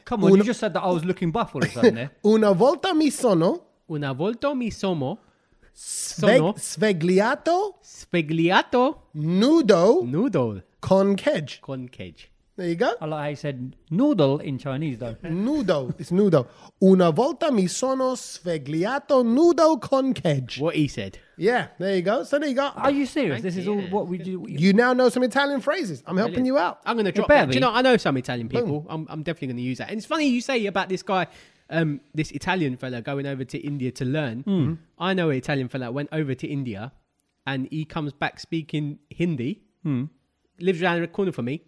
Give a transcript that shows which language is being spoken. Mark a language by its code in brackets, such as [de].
[en] Come on, you just said that I was looking buff or something there. [it] Una volta mi sono. Una volta mi sono. Svegliato. Svegliato. Nudo. Nudo. Con Kej. Con Kej. [en] There you go. I like how you said noodle in Chinese, though. Nudo. It's nudo. [it] Una volta mi sono svegliato nudo con Kej. [en] What he said. Yeah, there you go. So there you go. Are you serious? This is all what we do. You now know some Italian phrases. I'm helping you out. I'm going to drop it. You know, I know some Italian people. I'm definitely going to use that. And it's funny you say about this guy... this Italian fella going over to India to learn. Mm. I know an Italian fella went over to India and he comes back speaking Hindi, lives around the corner from me.